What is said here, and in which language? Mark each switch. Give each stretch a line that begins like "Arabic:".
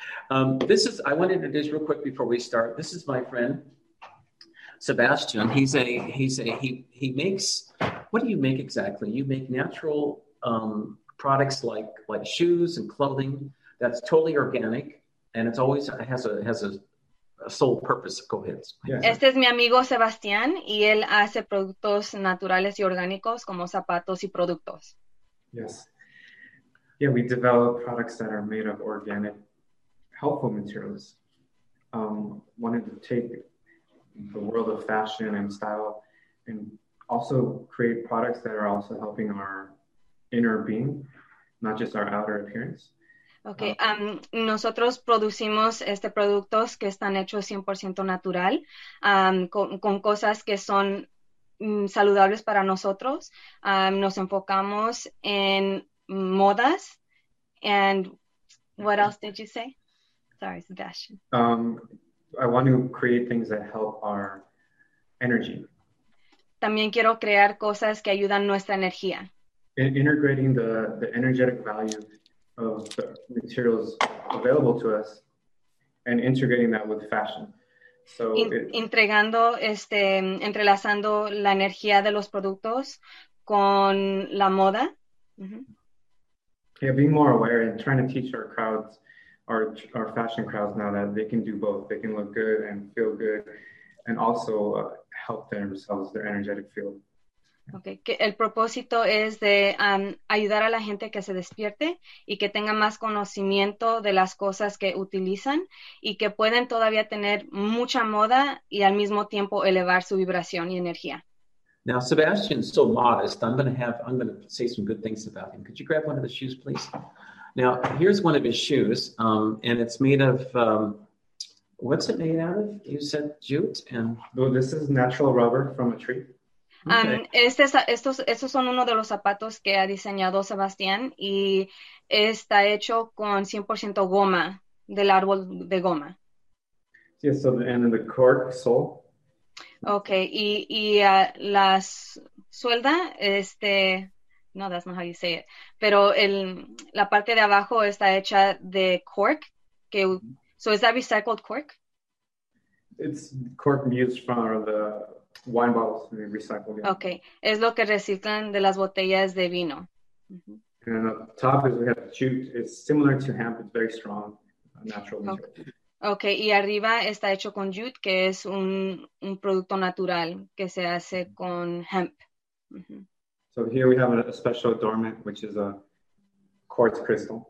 English: I want to introduce real quick before we start. This is my friend, Sebastian. He makes, what do you make exactly? You make natural products like shoes and clothing that's totally organic and it's always has a sole purpose. Go ahead.
Spanish: Este es mi amigo Sebastián y él hace productos naturales y orgánicos como zapatos y productos.
English: Yes. Yeah, we develop products that are made of organic, helpful materials. Wanted to take the world of fashion and style and also create products that are also helping our inner being, not just our outer appearance.
Spanish: Okay, nosotros producimos productos que están hechos 100% natural, con cosas que son saludables para nosotros. Nos enfocamos en modas.
English: And what else did you say? Sorry, Sebastian. I want to create things that help our energy.
Spanish: También quiero crear cosas que ayudan nuestra energía.
English: Integrating the energetic value of the materials available to us and integrating that with fashion. So it
Spanish: Entregando, entrelazando la energía de los productos con la moda.
English: Yeah, being more aware and trying to teach our crowds, our fashion crowds now that they can do both. They can look good and feel good and also help themselves, their energetic field.
Spanish: Okay, que el propósito es de ayudar a la gente que se despierte y que tenga más conocimiento de las cosas que utilizan y que pueden todavía tener mucha moda y al mismo tiempo elevar su vibración y energía.
English: Now, Sebastian's so modest. I'm going to say some good things about him. Could you grab one of the shoes, please? Now, here's one of his shoes, and it's made of, what's it made out of? You said jute and. Though this is natural rubber from a tree. Okay.
Spanish: Estos son uno de los zapatos que ha diseñado Sebastián y está hecho con 100% goma del árbol de goma.
English: Yeah, so the end of the cork sole.
Spanish: Okay, y la suelda, no,
English: that's not how you say it,
Spanish: pero la parte de abajo está hecha de cork,
English: so is that recycled cork? It's cork used from the wine bottles and recycled,
Spanish: Okay, es lo que reciclan de las botellas de vino.
English: yeah. And on top is we have jute. It's similar to hemp. It's very strong, natural Okay. material.
Spanish: Okay, y arriba está hecho con jute, que es un producto natural que se hace con hemp.
English: So here we have a special adornment, which is a quartz crystal.